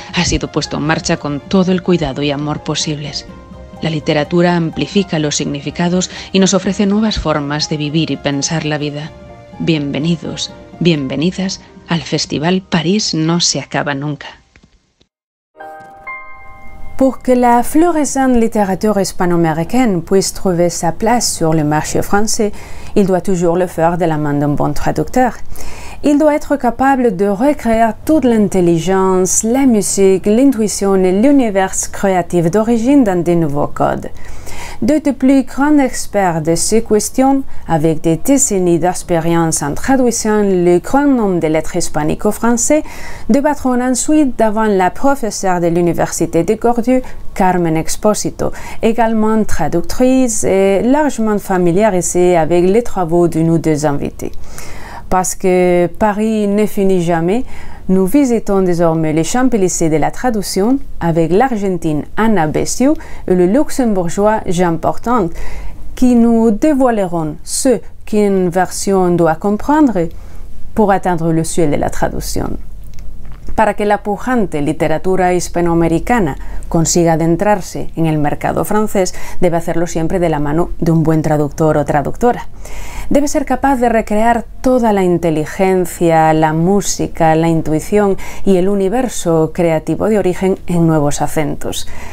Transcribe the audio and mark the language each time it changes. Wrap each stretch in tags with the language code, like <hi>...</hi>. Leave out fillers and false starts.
<es>Ha sido puesto en marcha con todo el cuidado y amor posibles. La literatura amplifica los significados y nos ofrece nuevas formas de vivir y pensar la vida. Bienvenidos, bienvenidas al Festival París no se acaba nunca.</es> <fr>Pour que la florissante littérature hispano-américaine puisse trouver sa place sur le marché français, il doit toujours le faire de la main d'un bon traducteur. Il doit être capable de recréer toute l'intelligence, la musique, l'intuition et l'univers créatif d'origine dans des nouveaux codes. D'un des plus grands experts de ces questions, avec des décennies d'expérience en traduisant le grand nombre de lettres hispanico-français, débattront ensuite devant la professeure de l'Université de Cordoue, Carmen Exposito, également traductrice et largement familiarisée avec les travaux de nos deux invités. Parce que Paris ne finit jamais, nous visitons désormais les Champs-Élysées de la traduction avec l'Argentine Anna Bessiou et le Luxembourgeois Jean Portant, qui nous dévoileront ce qu'une version doit comprendre pour atteindre le ciel de la traduction.</fr> <es>Para que la pujante literatura hispanoamericana consiga adentrarse en el mercado francés, debe hacerlo siempre de la mano de un buen traductor o traductora. Debe ser capaz de recrear toda la inteligencia, la música, la intuición y el universo creativo de origen en nuevos acentos.</es>